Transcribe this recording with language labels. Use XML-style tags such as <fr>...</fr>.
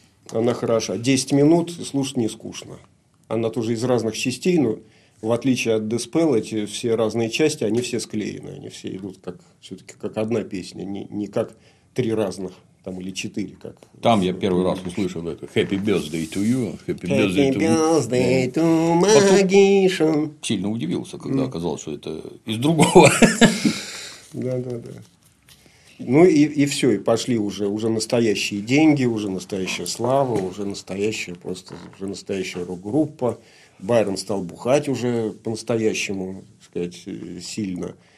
<ru>Она хороша. 10 минут, слушать не скучно. Она тоже из разных частей, но в отличие от Dispel, эти все разные части, они все склеены. Они все идут как, все-таки как одна песня, не как три разных. Там или 4, как. Там я первый раз услышал это.</ru> <en>Happy birthday to you. Happy birthday to Magician.</en> <ru>Сильно удивился, когда оказалось, что это из другого. Да. Ну и все. И пошли уже настоящие деньги, уже настоящая слава, уже настоящая, просто уже настоящая рок-группа. Байрон стал бухать уже по-настоящему, так сказать, сильно.</ru>